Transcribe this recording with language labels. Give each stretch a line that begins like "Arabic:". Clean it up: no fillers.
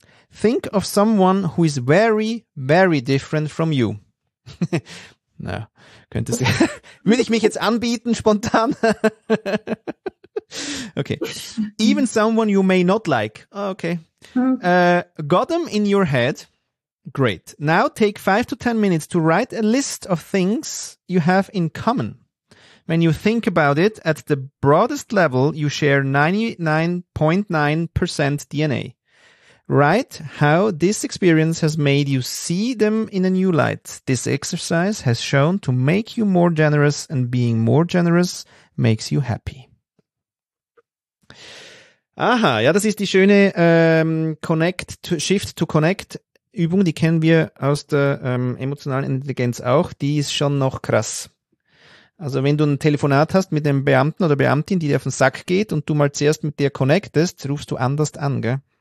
English: Think of someone who is very, very different from you.
German: Na, könnte sie. Würde ich mich jetzt anbieten, spontan? Okay.
English: Even someone you may not like. Oh, okay. Got them in your head. Great. Now take 5 to 10 minutes to write a list of things you have in common. When you think about it, at the broadest level, you share 99.9% DNA. Write how this experience has made you see them in a new light. This exercise has shown to make you more generous, and being more generous makes you happy.
German: Aha, ja, das ist die schöne Shift-to-Connect-Übung. Die kennen wir aus der emotionalen Intelligenz auch. Die ist schon noch krass. Also wenn du ein Telefonat hast mit einem Beamten oder Beamtin, die dir auf den Sack geht und du mal zuerst mit der connectest, rufst du anders an, gell?